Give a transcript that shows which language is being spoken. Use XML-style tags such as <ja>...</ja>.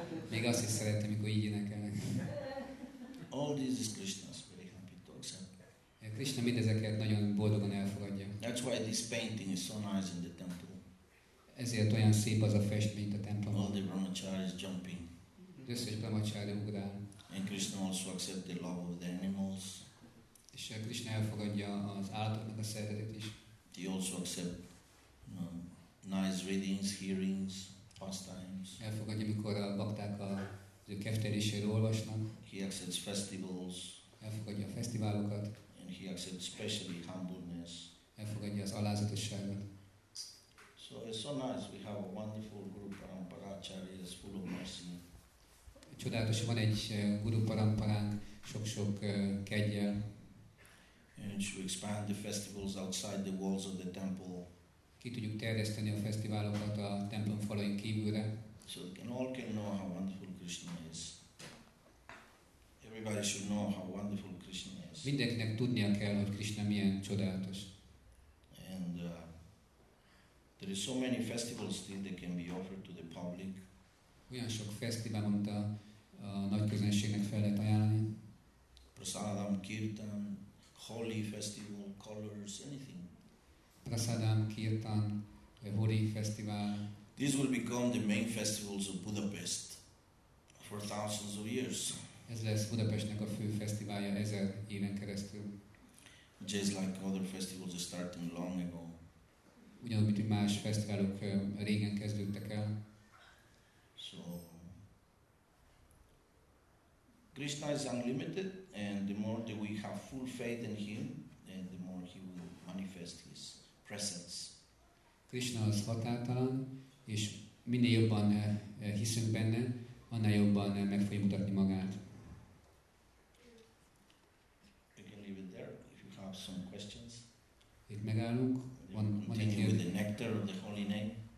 <hu>Még azt is szeretem, amikor így énekelnek.</hu> <en>All this is Krishna's very happy talks.</en> <hu>Krishna mindezeket nagyon boldogan elfogadja.</hu> <en>That's why this painting is so nice in the temple.</en> <hu>Ezért olyan szép az a festmény a templomban.</hu> <en>All the brahmacharis jumping.</en> <hu>Összes brahmacsári ugrál.</hu> <en>And Krishna also accepts the love of the animals.</en> <hu>És a Krishna elfogadja az állatoknak a szeretetét is.</hu> <en>He also accept nice readings, hearings, pastimes.</en> <hu>Elfogadja, amikor a bakták az ő keftelésére olvasnak.</hu> <en>He accepts festivals.</en> <hu>Elfogadja a fesztiválokat.</hu> <en>And he accepts especially humbleness.</en> <hu>Elfogadja az alázatosságot.</hu> <en>So it's so nice we have a wonderful Guru Parampara Acharya is full of mercy.</en> <hu>Csodálatos, van egy Guru Paramparánk, sok-sok kegyel.</hu> <en>And to expand the festivals outside the walls of the temple.</en> <hu>Ki tudjuk terjeszteni a fesztiválokat a templom falain kívülre.</hu> <en>So we can all can know how wonderful Krishna is. Everybody should know how wonderful Krishna is.</en> <hu>Mindenkinek tudnia kell, hogy Krishna milyen csodálatos.</hu> <en>And there is so many festivals still that can be offered to the public.</en> <hu>Olyan sok fesztivál, amit a nagy közönségnek fel lehet ajánlani.</hu> <en>Prasadam, kirtan, Holi festival, colors, anything.</en> <hu>Prasadam, kirtan, Holi festival.</hu> <en>These will become the main festivals of Budapest for thousands of years.</en> <hu>Ez lesz Budapestnek a fő fesztiválja ezer éven keresztül.</hu> <en>Just like other festivals starting long ago.</en> <hu>Ugyanúgy, mint más fesztiválok régen kezdődtek el.</hu> <en>So, Krishna is unlimited, and the more that we have full faith in him, then the more he will manifest his presence.</en> <hu>Krishna az határtalan, és minél jobban hiszünk benne, annál jobban meg fogja mutatni magát.</hu> <en>We can leave it there if you have some questions.</en> <hu>Itt megállunk.</hu> <en>Continue with the nectar of the holy name.</en>